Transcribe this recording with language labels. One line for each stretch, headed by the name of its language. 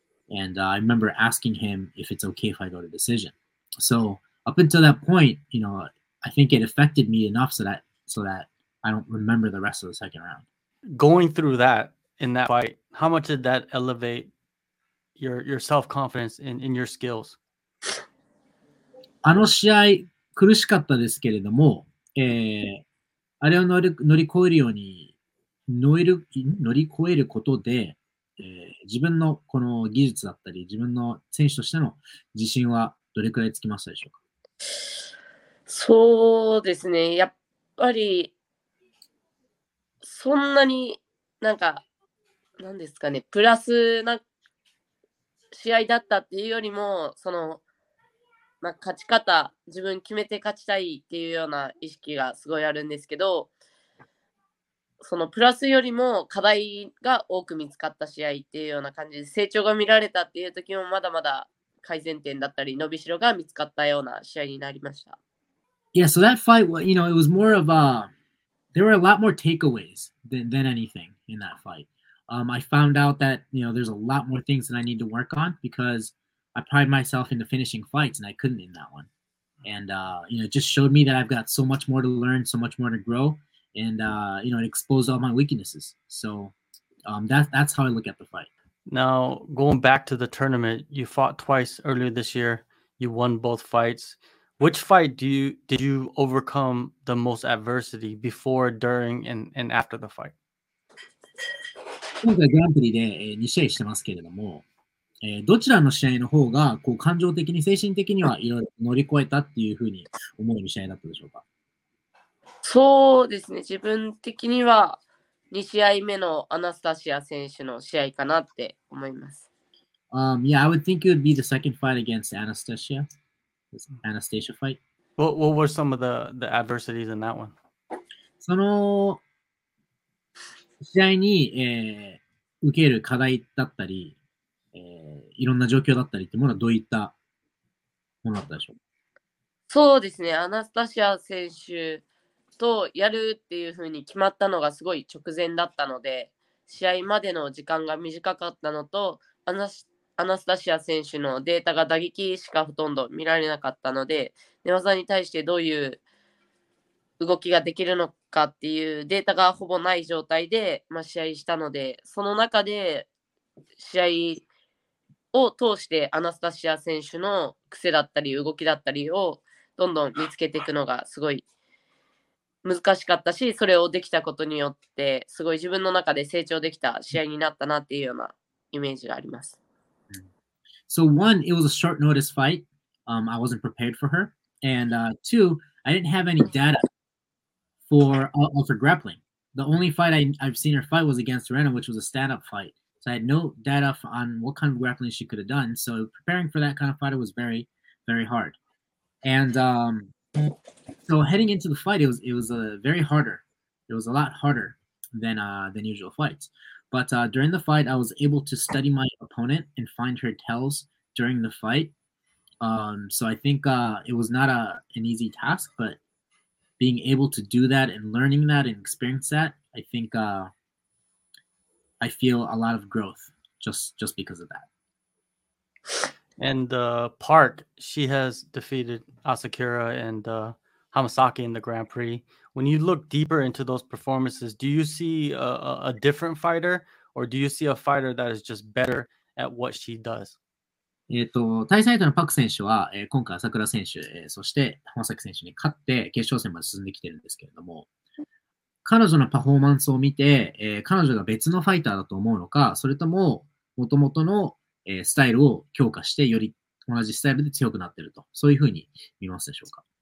English: And I remember asking him if it's okay if I go to decision. So up until that point, you know, I think it affected me enough so that I don't remember the rest of the second round. Going through that in that fight, how much did that elevate your self-confidence in your skills?
Japanese: あの試合苦しかったですけれども、あれを乗り越えるように乗り越えることで、自分のこの技術だったり自分の選手としての自信はどれくらいつきましたでしょうか？そうですね、やっぱりそんなになんか何ですかね、プラスな試合だったっていうよりも、そのまあ、勝ち方、自分決めて勝ちたいっていうような意識がすごいあるんですけど、そのプラスよりも課題が多く見つかった試合っていうような感じで、成長が見られたっていう時もまだまだ改善点だったり伸びしろが見つかったような試合になりました。
English: Yeah, so that fight, you know, it was more of a, there were a lot more takeaways than anything in that fight. I found out that, you know, there's a lot more things that I need to work on becauseI pride myself in the finishing fights, and I couldn't in that one. And, you know, it just showed me that I've got so much more to learn, so much more to grow, and, you know, it exposed all my weaknesses. So that's how I look at the fight. Now, going back to the tournament, you fought twice earlier this year. You won both fights. Which fight did you overcome the most adversity before, during, and after the fight?
Japanese: 今回グランプリで2試合してますけれども、どちらの試合の方がこう感情的に精神的にはいろいろ乗り越えたっていうふうに思える試合だったでしょうか？そうですね、自分的には2試合目のアナスタシア選手の試合かなって思います。
English: Yeah, I would think it would be the second fight against Anastasia. Anastasia fight. What were some of the adversities in that one?
Japanese: その試合に、受ける課題だったり、いろんな状況だったりってものはどういったものだったでしょう？そうですね、アナスタシア選手とやるっていうふうに決まったのがすごい直前だったので、試合までの時間が短かったのと、アナスタシア選手のデータが打撃しかほとんど見られなかったので、寝技に対してどういう動きができるのかっていうデータがほぼない状態で、まあ、試合したので、その中で試合を通してアナスタシア選手の癖だったり動きだったりをどんどん見つけていくのがすごい難しかったし、それをできたことによってすごい自分の中で成長できた試合になったなっていうようなイメージがあります。
English: So one, it was a short notice fight. I wasn't prepared for her. And two, I didn't have any data for grappling. The only fight I've seen her fight was against Rena, which was a stand-up fight. So I had no data on what kind of grappling she could have done. So preparing for that kind of fighter was very, very hard. And so heading into the fight, it was a lot harder than usual fights. But during the fight, I was able to study my opponent and find her tells during the fight. So I think it was not an easy task, but being able to do that and learning that and experience that, I think... I feel a lot of growth just because of that. And Park, she has defeated Asakura and Hamasaki in the Grand Prix. When you look deeper into those performances, do you see a different fighter, or do you see a fighter that is just better at what she does?
Japanese: 対戦相手のパク選手は、今回朝倉選手、そして浜崎選手に勝って決勝戦まで進んできてるんですけれども、彼女のパフォーマンスを見て、彼女が別のファイターだと思うのか、それとも元々の、スタイルを強化してより同じスタイルで強くなっていると、そういうふうに見ますでしょうか？